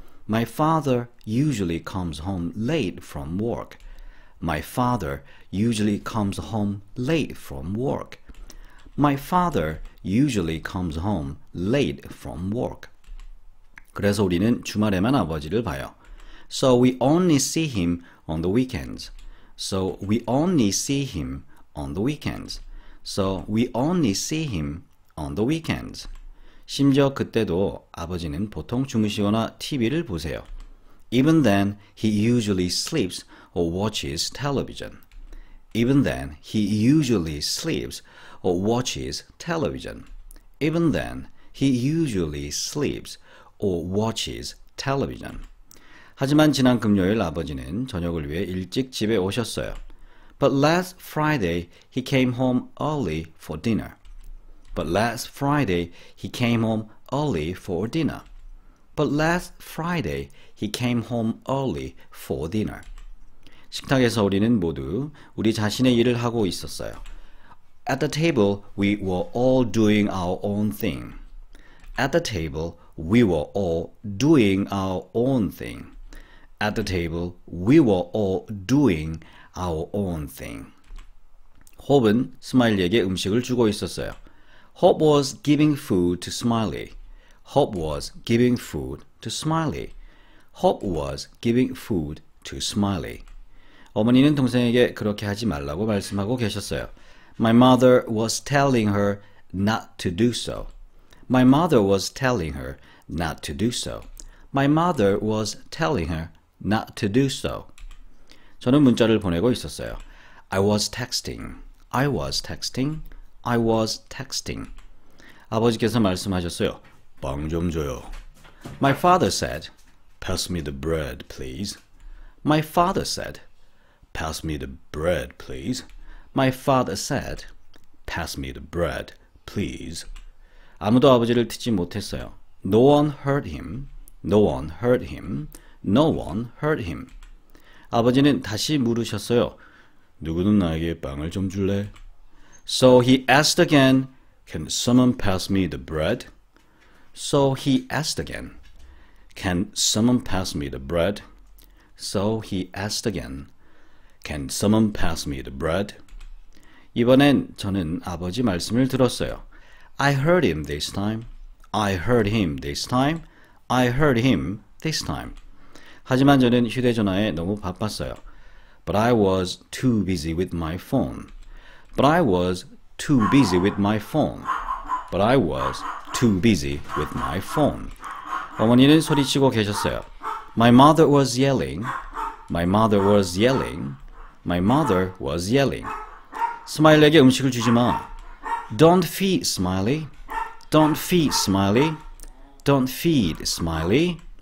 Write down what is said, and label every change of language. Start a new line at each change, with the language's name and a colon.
English: My father usually comes home late from work. My father usually comes home late from work. My father usually comes home late from work.
Korean: 그래서 우리는 주말에만 아버지를 봐요.
English: So we only see him on the weekends. So we only see him on the weekends. So we only see him on the weekends.
Korean: 심지어 그때도 아버지는 보통 주무시거나 TV를 보세요.
English: Even then, he usually sleeps or watches television. Even then, he usually sleeps or watches television. Even then, he usually sleeps or watches television.
Korean: 하지만 지난 금요일 아버지는 저녁을 위해 일찍 집에 오셨어요.
English: But last Friday, he came home early for dinner. But last Friday, he came home early for dinner. But last Friday, he came home early for dinner.
Korean: 식탁에서 우리는 모두 우리 자신의 일을 하고 있었어요.
English: At the table, we were all doing our own thing. At the table, we were all doing our own thing. At the table, we were all doing our own thing.
Korean: Hope은 스마일리에게 음식을 주고 있었어요.
English: Hope was giving food to Smiley. Hope was giving food to Smiley. Hope was giving food to Smiley.
Korean: 어머니는 동생에게 그렇게 하지 말라고 말씀하고 계셨어요.
English: My mother was telling her not to do so. My mother was telling her not to do so. My mother was telling her not to do so.
Korean: 저는 문자를 보내고 있었어요.
English: I was texting. I was texting. I was texting.
Korean: 아버지께서 말씀하셨어요. 빵 좀 줘요.
English: My father said, Pass me the bread, please. My father said, Pass me the bread, please. My father said, Pass me the bread, please.
Korean: 아무도 아버지를 듣지 못했어요.
English: No one heard him. No one heard him. No one heard him.
Korean: 아버지는 다시 물으셨어요. 누구는 나에게 빵을 좀 줄래?
English: So he asked again, Can someone pass me the bread? So he asked again, Can someone pass me the bread? So he asked again, Can someone pass me the bread?
Korean: 이번엔 저는 아버지 말씀을 들었어요.
English: I heard him this time. I heard him this time. I heard him this time.
Korean: 하지만 저는 휴대전화에 너무 바빴어요.
English: But I was too busy with my phone. But I was too busy with my phone. But I was too busy with my phone.
Korean: 어머니는 소리치고 계셨어요.
English: My mother was yelling. My mother was yelling. My mother was yelling.
Korean: 스마일에게 음식을 주지 마.
English: Don't feed Smiley. Don't feed Smiley. Don't feed Smiley.